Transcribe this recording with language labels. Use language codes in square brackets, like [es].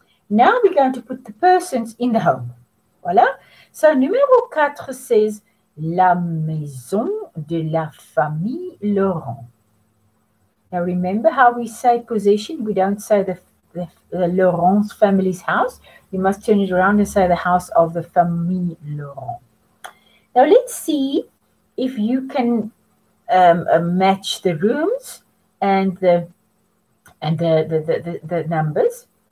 [en] Now we're going to put the persons in the home. [fr] Voilà. [en] So numéro 4 says, [fr] la maison de la famille Laurent. [en] Now remember how we say possession, we don't say the Laurent's family's house. You must turn it around and say the house of the famille Laurent. Now let's see if you can match the rooms and the numbers.